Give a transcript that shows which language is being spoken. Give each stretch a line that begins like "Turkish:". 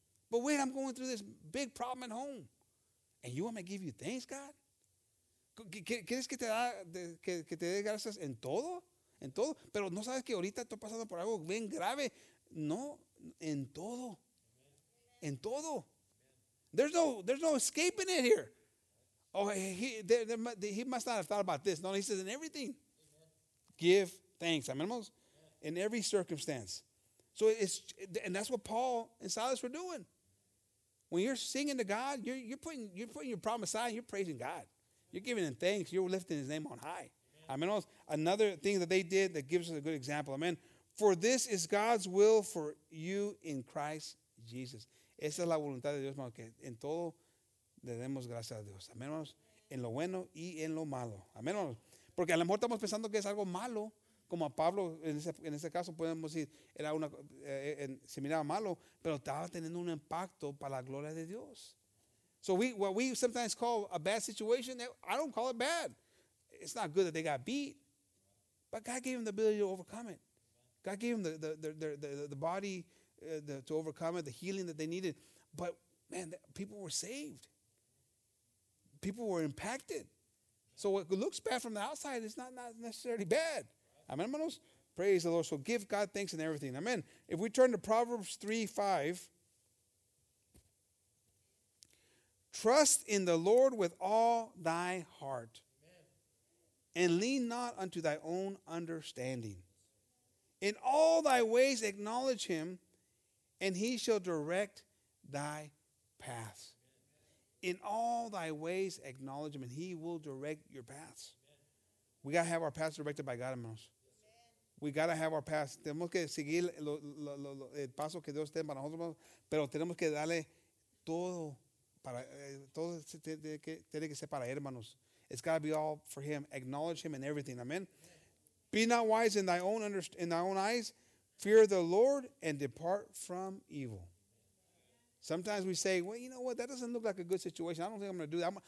English: But wait, I'm going through this big problem at home. And you want me to give you thanks, God?
Spanish: ¿Quieres que te dé gracias en todo? En todo. Pero no sabes que ahorita estoy pasando por algo bien grave. No, en todo. En todo.
English: There's no escaping it here. Oh, he must not have thought about this. No, he says in everything. Give thanks. Amen. In every circumstance. So it's, and that's what Paul and Silas were doing. When you're singing to God, you're putting your problem aside. You're praising God. You're giving him thanks. You're lifting his name on high. Amen. Another thing that they did that gives us a good example. Amen. For this is God's will for you in Christ Jesus.
Spanish: Esa es la voluntad de Dios, hermano, que en todo le demos gracias a Dios. Amén, hermanos. En lo bueno y en lo malo. Amén, hermanos. Porque a lo mejor estamos pensando que es algo malo, como a Pablo, en ese caso podemos decir, era una, se miraba malo, pero estaba teniendo un impacto para la gloria de Dios.
English: So what we sometimes call a bad situation, I don't call it bad. It's not good that they got beat, but God gave them the ability to overcome it. God gave them the body to overcome it, the healing that they needed. But, man, people were saved. People were impacted. So what looks bad from the outside is not necessarily bad. Amen, hermanos? Praise the Lord. So give God thanks in everything. Amen. If we turn to Proverbs 3:5, trust in the Lord with all thy heart, and lean not unto thy own understanding. In all thy ways acknowledge him, and he shall direct thy paths. In all thy ways acknowledge him, and he will direct your paths. Amen. We got to have our paths directed by God, hermanos. Amen. We got to have our paths.
Spanish: Tenemos que seguir el paso que Dios tiene para nosotros, pero tenemos que darle todo para todo tiene que ser para él, hermanos.
English: It's got to be all for him. Acknowledge him in everything. Amen. Amen. Be not wise in thy own in thy own eyes. Fear the Lord and depart from evil. Sometimes we say, well, you know what? That doesn't look like a good situation. I don't think I'm going to do that.